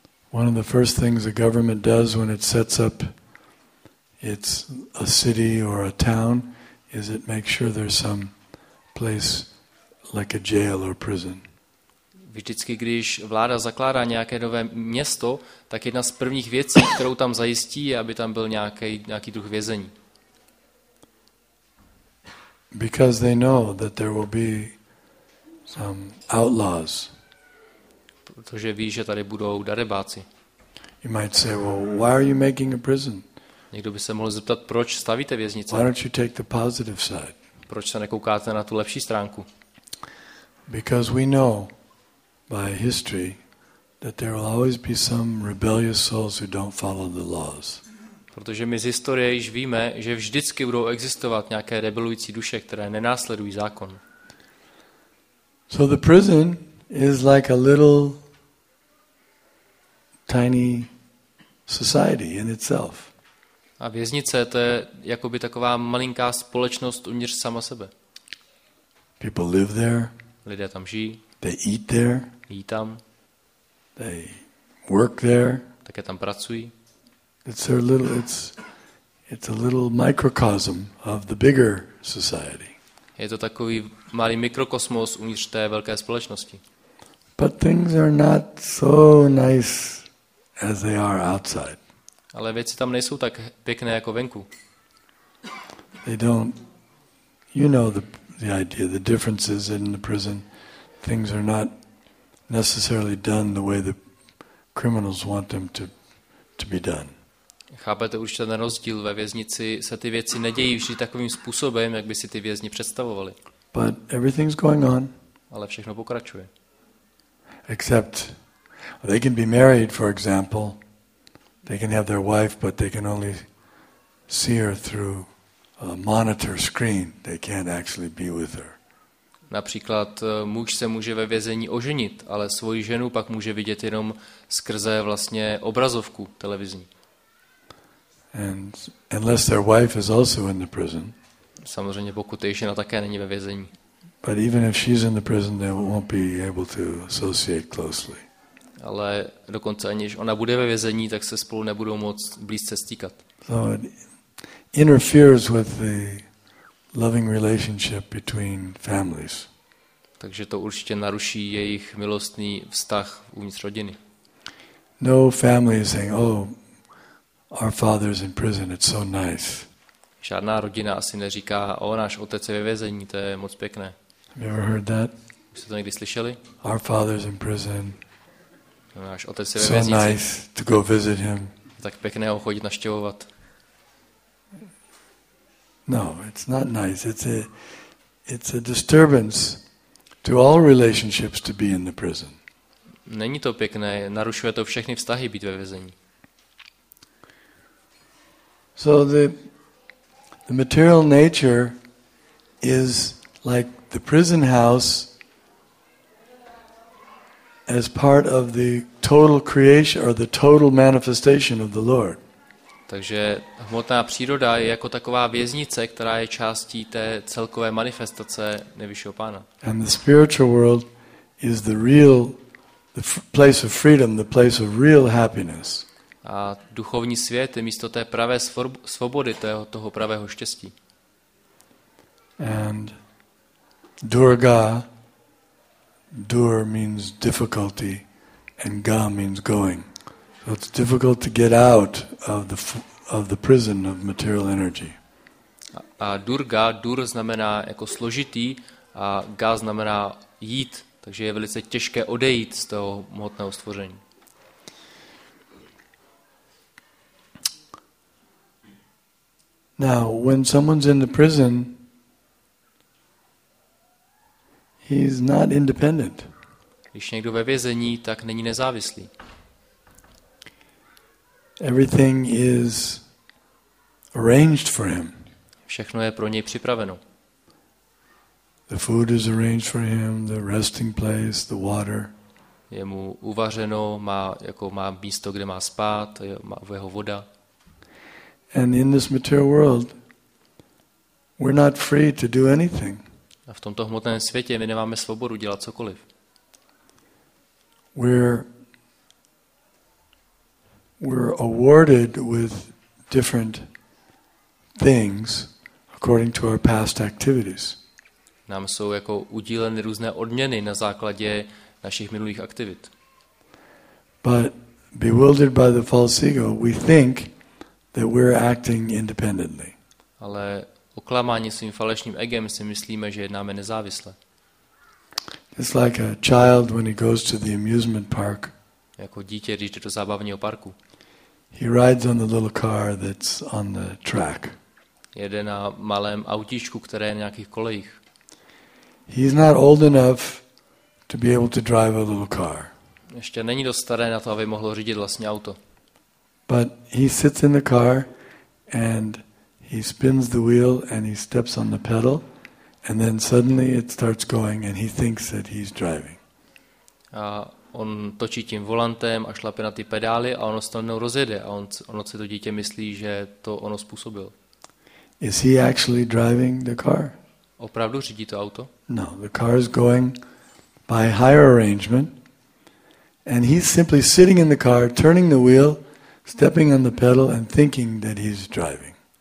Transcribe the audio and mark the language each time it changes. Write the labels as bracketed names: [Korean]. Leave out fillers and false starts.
[English] One of the first things the government does when it sets up its a city or a town is it makes sure there's some place like a jail or prison. [Czech] Vždycky, když vláda zakládá nějaké nové město, tak jedna z prvních věcí, kterou tam zajistí, je, aby tam byl nějaký druh vězení. [English] Because they know that there will be some outlaws. [Czech] Protože ví, že tady budou darebáci. [English] You might say, well, why are you making a prison? [Czech] Někdo by se mohl zeptat, proč stavíte věznice? [English] Why don't you take the positive side? [Czech] Proč se nekoukáte na tu lepší stránku? [English] Because we know by history that there will always be some rebellious souls who don't follow the laws. [Czech] Protože my z historie již víme, že vždycky budou existovat nějaké rebelující duše, které nenásledují zákon. [English] So the prison is like a little tiny society in itself. [Czech] A věznice to je jakoby taková malinká společnost uvnitř sama sebe. [English] People live there. [Czech] Lidé tam žijí. [English] They eat there. [Czech] Jí tam. [English] They work there. [Czech] Také tam pracují. [English] It's a little microcosm of the bigger society. [Czech] Je to takový malý mikrokosmos uvnitř té velké společnosti. [English] But things are not so nice as they are outside. [Czech] Ale věci tam nejsou tak pěkné jako venku. [English] They don't, you know the idea, the differences in the prison. Things are not necessarily done the way the criminals want them to be done. [Czech] Chápete už ten rozdíl ve věznici, se ty věci nedějí vždy takovým způsobem, jak by si ty vězni představovali. [English] But everything's going on. [Czech] Ale všechno pokračuje. [English] Except they can be married, for example. They can have their wife, but they can only see her through a monitor screen. They can't actually be with her. [Czech] Například muž se může ve vězení oženit, ale svoji ženu pak může vidět jenom skrze vlastně obrazovku televizní. [English] And unless their wife is also in the prison. [Czech] Samozřejmě pokud její žena také není ve vězení. [English] But even if she's in the prison, they won't be able to associate closely. [Czech] Ale dokonce ani když ona bude ve vězení, tak se spolu nebudou moc blízce stýkat. [English] So it interferes with the loving relationship between families. [Czech] Takže to určitě naruší jejich milostný vztah uvnitř rodiny. [English] No family is saying, "Oh, our father is in prison. It's so nice." [Czech] Žádná rodina asi neříká, "O, náš otec je ve vězení, to je moc pěkné." [English] Have you ever heard that? [Czech] Už jste to někdy slyšeli? [English] Our father is in prison. [Czech] Náš otec je ve vězení. [English] So nice to go visit him. [Czech] Tak pěkné ho chodit navštěvovat. [English] No, it's not nice. It's a disturbance to all relationships to be in the prison. [Czech] Není to pěkné, narušuje to všechny vztahy být ve vězení. [English] So the material nature is like the prison house as part of the total creation or the total manifestation of the Lord. [Czech] Takže hmotná příroda je jako taková věznice, která je částí té celkové manifestace nejvyššího Pána. [English] And the spiritual world is the real the place of freedom, the place of real happiness. [Czech] A duchovní svět je místo té pravé svobody, toho pravého štěstí. [English] And Durga, dur means difficulty and ga means going. So it's difficult to get out of the prison of material energy. [Czech] A Durga, dur znamená jako složitý a ga znamená jít. Takže je velice těžké odejít z toho hmotného stvoření. [English] Now, when someone's in the prison, he's not independent. [Czech] Když někdo ve vězení, tak není nezávislý. [English] Everything is arranged for him. [Czech] Všechno je pro něj připraveno. [English] The food is arranged for him, the resting place, the water. [Czech] Je mu uvařeno, má místo, kde má spát, má jeho voda. [English] And in this material world, we're not free to do anything. [Czech] A v tomto hmotném světě my nemáme svobodu dělat cokoliv. [English] We're awarded with different things according to our past activities. [Czech] Nám jsou jako udíleny různé odměny na základě našich minulých aktivit. [English] But bewildered by the false ego, we think that we're acting independently. [Czech] Ale oklamáni svým falešným egem si myslíme, že jednáme nezávisle. [English] It's like a child when he goes to the amusement park. [Czech] Jako dítě, když jde do zábavního parku. [English] He rides on the little car that's on the track. [Czech] Jede na malém autíčku, které je na nějakých kolejích. [English] He's not old enough to be able to drive a little car. [Czech] Ještě není dost starý na to, aby mohl řídit vlastní auto. [English] But he sits in the car and he spins the wheel and he steps on the pedal and then suddenly it starts going and he thinks that he's driving. [Czech] A on točí tím volantem a šlape na ty pedály a ono se to jednou rozjede a ono si to dítě myslí, že to ono způsobil. [English] Is he actually driving the car? [Czech] Opravdu řídí to auto? [English] No, the car is going by higher arrangement and he's simply sitting in the car, turning the wheel, stepping on the pedal and thinking that he's driving.